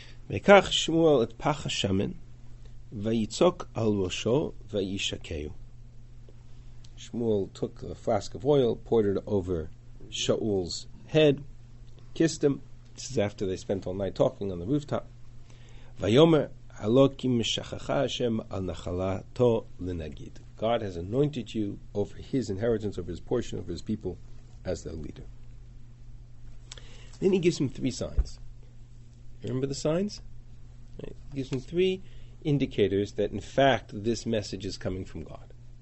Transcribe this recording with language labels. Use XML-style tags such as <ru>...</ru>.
<he>וכך שמואל את פח השמן ויצוק על ראשו וישקהו.</he> <en>שמואל took a flask of oil, poured it over Shaul's head, kissed him. This is after they spent all night talking on the rooftop.</en> <he>ויאמר, הלא כי משכחה השם על נחלתו לנגיד.</he> <en>God has anointed you over his inheritance, over his portion, over his people as their leader. Then he gives him 3 signs. Remember the signs? Right. Gives him 3 indicators that, in fact, this message is coming from God.</en>